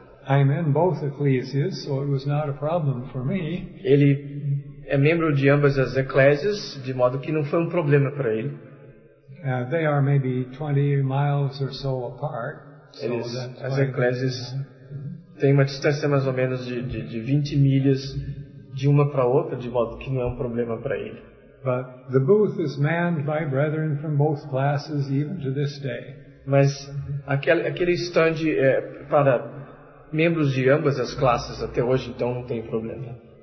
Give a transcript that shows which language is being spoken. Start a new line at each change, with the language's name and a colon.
English: I'm in both ecclesias, so it was not a problem for me.
Portuguese: Ele é membro de ambas as eclésias, de modo que não foi um problema para ele.
English: They are maybe 20 miles or so apart.
Portuguese: As eclésias têm uma distância mais ou menos de 20 milhas de uma para outra, de modo que não é um problema para ele.
English: But the booth is manned by brethren from both classes even to this day.
Portuguese: Mas aquele stand é para membros de ambas as classes até hoje, então não tem problema.